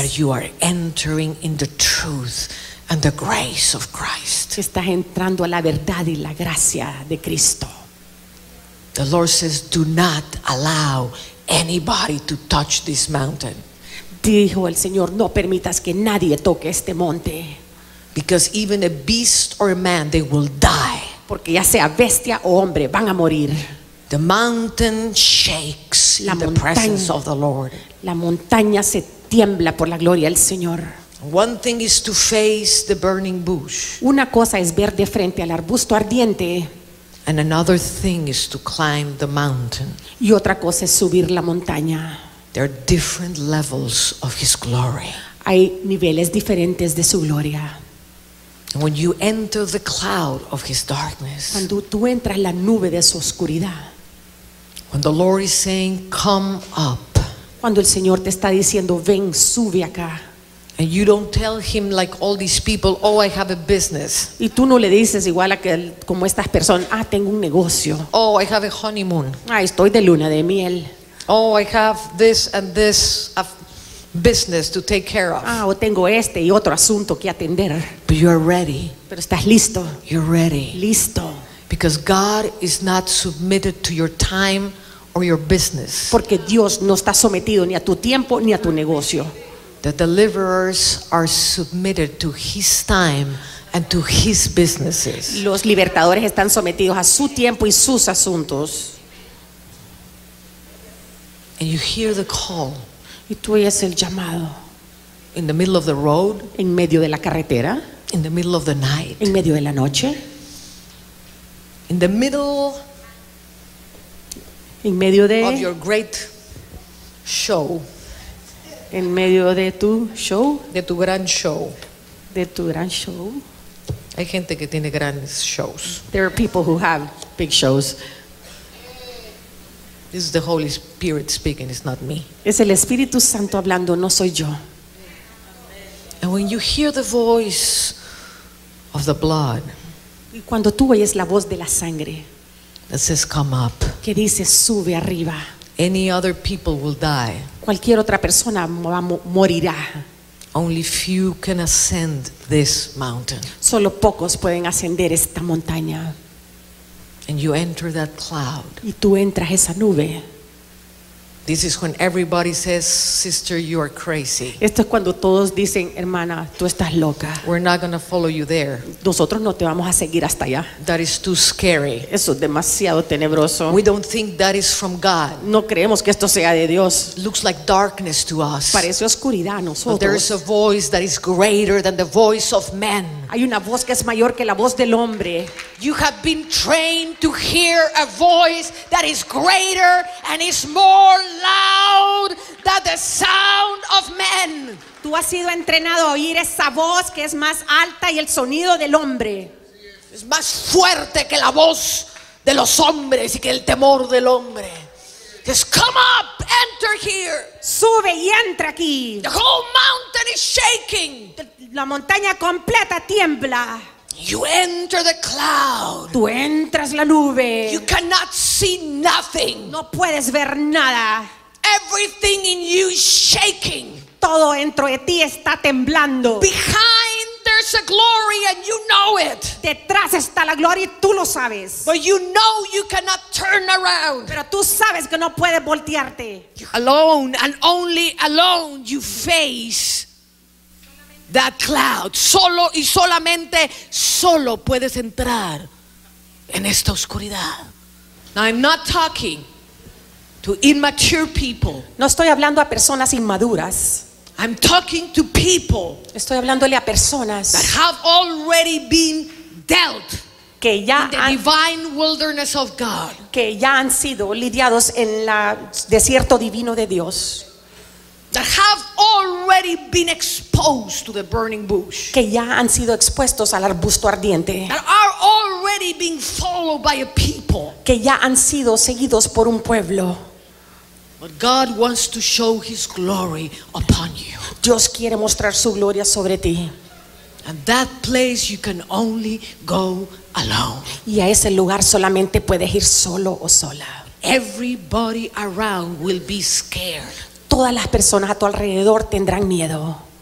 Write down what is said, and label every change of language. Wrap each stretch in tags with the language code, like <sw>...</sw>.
<en>That you are entering in the truth and the grace of Christ.</en> <es>Estás entrando a la verdad y la gracia de Cristo.</es> <en>The Lord says, "Do not allow anybody to touch this mountain."</en> <es>Dijo el Señor, "No permitas que nadie toque este monte."</es> <en>Because even a beast or a man, they will die.</en> <es>Porque ya sea bestia o hombre, van a morir.</es> <en>The mountain shakes in the presence of the Lord.</en> <es>La montaña se tiembla por la gloria del Señor.</es> <en>One thing is to face the burning bush.</en> <es>Una cosa es ver de frente al arbusto ardiente.</es> <en>And another thing is to climb the mountain.</en> <es>Y otra cosa es subir la montaña.</es> <en>There are different levels of His glory.</en> <es>Hay niveles diferentes de su gloria.</es> <en>And when you enter the cloud of His darkness.</en> <es>Cuando tú entras la nube de su oscuridad.</es> <en>When the Lord is saying, "Come up."</en> <es>Cuando el Señor te está diciendo, "Ven, sube acá."</es> <en>And you don't tell him like all these people, "Oh, I have a business."</en> <es>Y tú no le dices igual a que como estas personas, "Ah, tengo un negocio."</es> <en>"Oh, I have a honeymoon."</en> <es>"Ah, estoy de luna de miel."</es> <en>"Oh, I have this and this business to take care of."</en> <es>"Ah, o tengo este y otro asunto que atender."</es> <en>"But you are ready."</en> <es>Pero estás listo.</es> <en>"You're ready."</en> <es>Listo.</es> <en>"Because God is not submitted to your time or your business."</en> <es>Porque Dios no está sometido ni a tu tiempo ni a tu negocio.</es> <en>The deliverers are submitted to His time and to His businesses.</en> <es>Los libertadores están sometidos a su tiempo y sus asuntos.</es> <en>And you hear the call.</en> <es>Y tú oyes el llamado.</es> <en>In the middle of the road.</en> <es>En medio de la carretera.</es> <en>In the middle of the night.</en> <es>En medio de la noche.</es> <en>In the middle.</en> <es>En medio de.</es> <en>Of your great show.</en> <es>En medio de tu show. De tu gran show. De tu gran show. Hay gente que tiene grandes shows.</es> <en>There are people who have big shows. This is the Holy Spirit speaking, it's not me.</en> <es>Es el Espíritu Santo hablando, no soy yo.</es> <en>And when you hear the voice of the blood.</en> <es>Y cuando tú oyes la voz de la sangre.</es> <en>That says, "Come up."</en> <es>Que dice, sube arriba.</es> <en>Any other people will die.</en> <es>cualquier otra persona morirá.</es> <en>Only few can ascend this mountain.</en> <es>Solo pocos pueden ascender esta montaña.</es> <en>And you enter that cloud.</en> <es>Y tú entras esa nube.</es> <en>This is when everybody says, "Sister, you are crazy."</en> <es>Esto es cuando todos dicen, hermana, tú estás loca.</es> <en>We're not going to follow you there.</en> <es>Nosotros no te vamos a seguir hasta allá.</es> <en>That is too scary.</en> <es>Eso es demasiado tenebroso.</es> <en>We don't think that is from God.</en> <es>No creemos que esto sea de Dios.</es> <en>Looks like darkness to us.</en> <es>Parece oscuridad a nosotros.</es> <en>But there is a voice that is greater than the voice of men.</en> <es>Hay una voz que es mayor que la voz del hombre.</es> <en>You have been trained to hear a voice that is greater and is more loud than the sound of men.</en> <es>Tú has sido entrenado a oír esa voz que es más alta y el sonido del hombre. Es más fuerte que la voz de los hombres y que el temor del hombre.</es> <en>Just come up, enter here.</en> <es>Sube y entra aquí.</es> <en>The whole mountain is shaking.</en> <es>La montaña completa tiembla.</es> <en>You enter the cloud.</en> <es>Tú entras la nube.</es> <en>You cannot see nothing.</en> <es>No puedes ver nada.</es> <en>Everything in you is shaking.</en> <es>Todo dentro de ti está temblando.</es> <en>Behind there's a glory and you know it.</en> <es>Detrás está la gloria y tú lo sabes.</es> <en>But you know you cannot turn around.</en> <es>Pero tú sabes que no puedes voltearte.</es> <en>Alone and only alone you face that cloud.</en> <es>Solo y solamente solo puedes entrar en esta oscuridad.</es> <en>Now I'm not talking to immature people.</en> <es>No estoy hablando a personas inmaduras.</es> <en>I'm talking to people.</en> <es>Estoy hablándole a personas</es> <en>that have already been dealt</en> <es>que ya</es> <en>in the divine wilderness of God.</en> <es>Que ya han sido lidiados en el desierto divino de Dios.</es> <en>That have already been exposed to the burning bush.</en> <es>Que ya han sido expuestos al arbusto ardiente.</es> <en>That are already being followed by a people.</en> <es>Que ya han sido seguidos por un pueblo.</es> <en>But God wants to show His glory upon you.</en> <es>Dios quiere mostrar su gloria sobre ti.</es> <en>And that place you can only go alone.</en> <es>Y a ese lugar solamente puedes ir solo o sola.</es> <en>Everybody around will be scared.</en> <es>Todas las personas a tu alrededor tendrán miedo.</es>